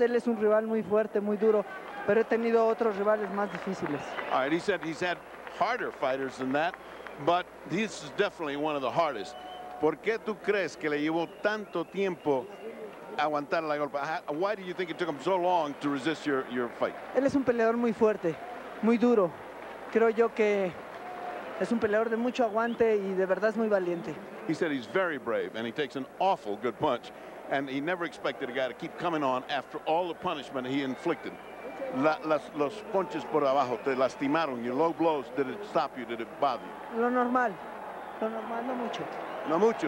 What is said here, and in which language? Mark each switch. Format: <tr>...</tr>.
<es>Él es un rival muy fuerte, muy duro, pero he tenido otros rivales más difíciles.</es> <en>All right, he said he's had harder fighters than that, but this is definitely one of the hardest.</en> <es>¿Por qué tú crees que le llevó tanto tiempo aguantar la golpe?</es> <en>Why do you think it took him so long to resist your fight?</en> <es>Él es un peleador muy fuerte, muy duro. Creo yo que es un peleador de mucho aguante y de verdad es muy valiente.</es> <en>He said he's very brave and he takes an awful good punch and he never expected a guy to keep coming on after all the punishment he inflicted.</en> <es>Los punches por abajo te lastimaron,</es> <en>your low blows, did it stop you, did it bother you?</en> <es>Lo normal, no mucho. No mucho?</es>